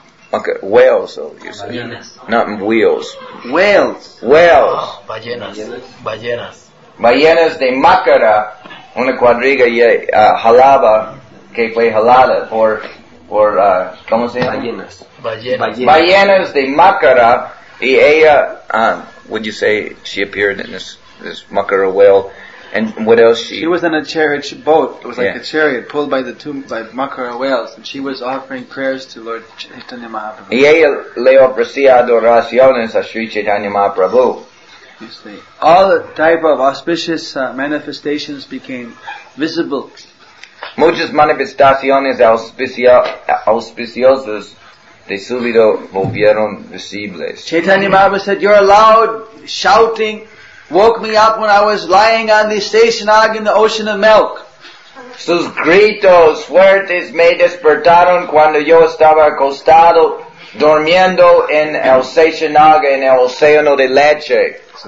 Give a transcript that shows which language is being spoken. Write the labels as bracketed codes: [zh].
[en] Okay, whales, so you say. [es] Ballenas. [en] Not wheels. Whales. Whales. Oh, [es] ballenas. Ballenas de Makara, una cuadriga jalaba, que fue jalada por ¿cómo se llama? Ballenas. Ballenas. [en] Ballenas de Makara, y ella, would you say she appeared in this Makara whale? And what else she... She was in a chariot boat. It was a chariot pulled by by Makara whales. And she was offering prayers to Lord Chaitanya Mahaprabhu. [es] Y ella le ofrecía adoraciones a Sri Chaitanya Mahaprabhu. [en] You see, all the type of auspicious manifestations became visible. [es] Muchas manifestaciones auspiciosas de súbito volvieron visibles. [en] Chaitanya Mahaprabhu said, "You're loud, shouting. Woke me up when I was lying on the station hog in the ocean of milk." [es] Sus gritos fuertes me despertaron cuando yo estaba acostado durmiendo en el station hog en el océano de leche.